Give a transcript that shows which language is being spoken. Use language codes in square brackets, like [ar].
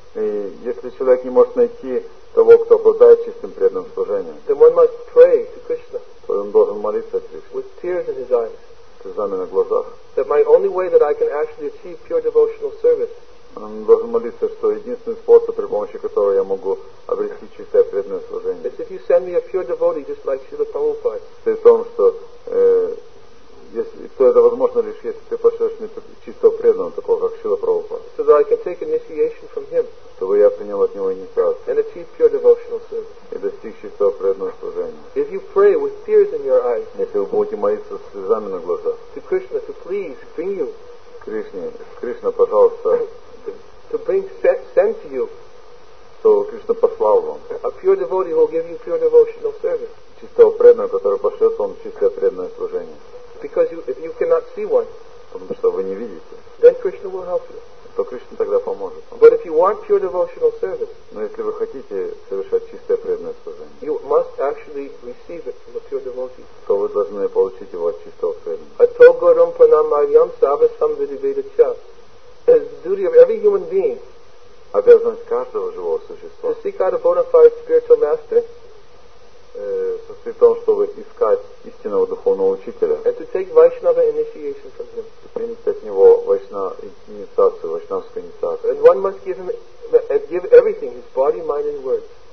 [ru] И если человек не может найти того, кто обладает чистым преданным служением, [en] then one must pray to Krishna, [ru] то он должен молиться Кришне. [en] With tears in his eyes. [ru] Слезами на глазах. [en] That my only way that I can actually achieve pure devotional service. [ru] Он должен молиться, что единственный способ, при помощи которого я могу обрести чистое преданное служение, [en] is if you send me a pure devotee, just like Srila Prabhupada. [ru] При том, что если то это возможно лишь если ты пошлешь мне чистого преданного, такого как Шрила Прабхупада. [en] So that I can take initiation from him. [ru] Чтобы я принял от него инициацию. [en] And achieve pure devotional service. [ru] И достиг чистого преданного служения. [en] If you pray with tears in your eyes. [ru] Если вы будете молиться с слезами на глазах. [en] To Krishna, to please bring you. [ru] Кришне, Кришна, пожалуйста. [en] To bring sent to you. [ru] То Кришна послал вам. [en] A pure devotee will give you pure devotional service. [ru] Чистого преданного, который пошлет вам чистое преданное служение. [en] Because you, if you cannot see one, [ru] потому что вы не видите, [en] then Krishna will help you. [ru] То Кришна тогда поможет вам. [en] But if you want pure devotional service, [ru] но если вы хотите совершать чистое преданное служение, [en] you must actually receive it from a pure devotee. [ru] То вы должны получить его от чистого преданного. [sa] Ato gauram pranamayam savasam vidivita cha. [en] It's the duty of every human being, [ru] обязанность каждого живого существа, [en] to seek out a bona fide spiritual master, [ru] состоит в том, чтобы искать истинного духовного учителя, [en] and to take Vaishnava initiation from him, [ru] и принять от него вайшнавскую инициацию, [en] and one must give him give everything, his body, mind, and words,